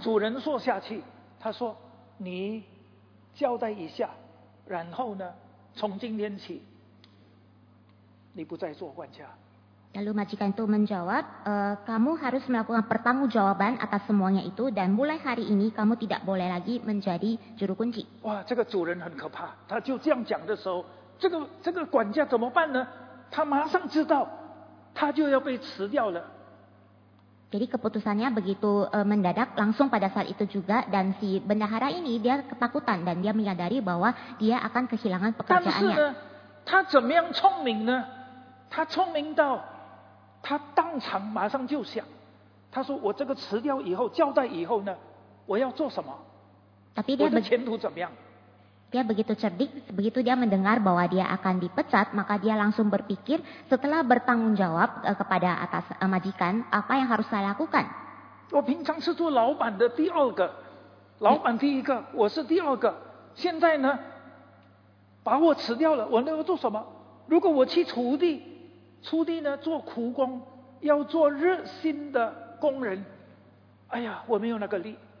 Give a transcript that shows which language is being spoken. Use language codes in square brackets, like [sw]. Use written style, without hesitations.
[zh] 主人说下去，他说，你交代一下，然后呢，从今天起，你不再做管家。 [id] Lalu majikan itu menjawab, kamu harus melakukan pertanggungjawaban atas semuanya itu dan mulai hari ini kamu tidak boleh lagi menjadi juru kunci. [zh] Wah, 这个主人很可怕，他就这样讲的时候，这个管家怎么办呢？他马上知道，他就要被辞掉了。 [id] Jadi keputusannya begitu mendadak langsung pada saat itu juga dan si bendahara ini dia ketakutan dan dia menyadari bahwa dia akan kehilangan pekerjaannya. [zh] 但是呢，他怎么样聪明呢？他聪明到他当场马上就想，他说我这个辞掉以后交代以后呢，我要做什么？ [id] Tapi dia [zh] 我的前途怎么样？ [id] Dia begitu cerdik, begitu dia mendengar bahwa dia akan dipecat, maka dia langsung berpikir setelah bertanggung jawab kepada atas majikan, apa yang harus saya lakukan? [zh] 我平常是做老板的第二个，老板第一个，我是第二个，现在呢，把我辞掉了，我能够做什么？如果我去锄地，锄地呢做苦工，要做热心的工人，哎呀，我没有那个力。